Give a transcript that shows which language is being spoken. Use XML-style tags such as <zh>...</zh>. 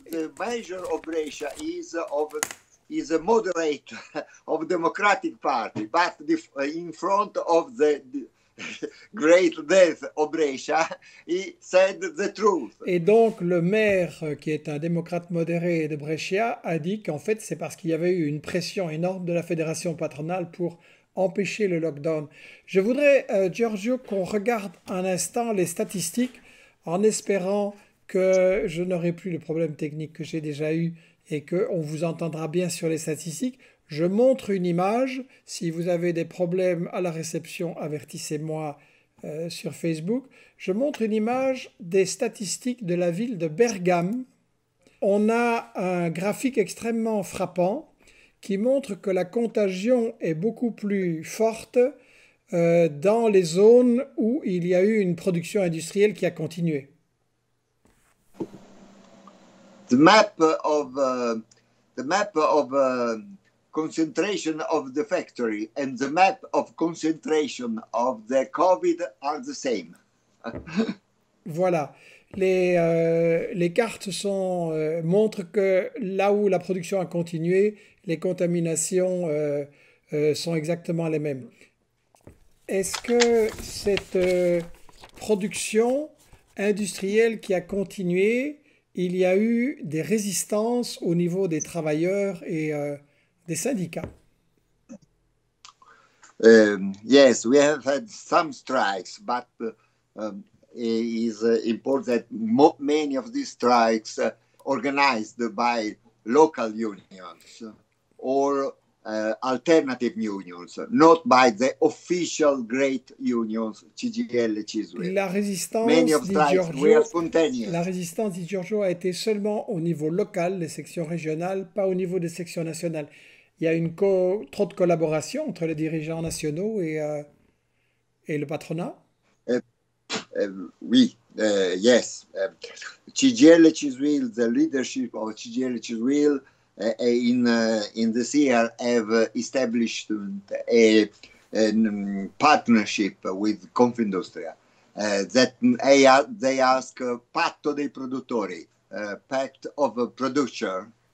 <en>The measure of Brescia is a moderate of Democratic Party, but in front of the great death of Brescia, he said the truth.</en> <fr>Et donc le maire, qui est un démocrate modéré de Brescia, a dit qu'en fait c'est parce qu'il y avait eu une pression énorme de la fédération patronale pour empêcher le lockdown. Je voudrais, Giorgio, qu'on regarde un instant les statistiques en espérant que je n'aurai plus le problème technique que j'ai déjà eu et qu'on vous entendra bien sur les statistiques. Je montre une image. Si vous avez des problèmes à la réception, avertissez-moi sur Facebook. Je montre une image des statistiques de la ville de Bergame. On a un graphique extrêmement frappant qui montre que la contagion est beaucoup plus forte dans les zones où il y a eu une production industrielle qui a continué.</fr> <en>The map of concentration of the factory and the map of concentration of the COVID are the same.</en> <fr>Voilà. Les cartes montrent que là où la production a continué, les contaminations sont exactement les mêmes. Est-ce que cette production industrielle qui a continué, il y a eu des résistances au niveau des travailleurs et des syndicats?</fr> <en>Yes, we have had some strikes, but it is important that many of these strikes organized by local unions or alternative unions, not by the official great unions, CGL, CISL.</en> <fr>La résistance,</fr> <en>many of Giorgio,</en> <fr>la résistance, dit Giorgio, a été seulement au niveau local, les sections régionales, pas au niveau des sections nationales. Il y a trop de collaboration entre les dirigeants nationaux et le patronat.</fr> <en>Yes. CGL CISL, the leadership of CGL CISL in this year have established a partnership with Confindustria that they ask</en> <it>patto dei produttori,</it> <en>pact of a producer,</en>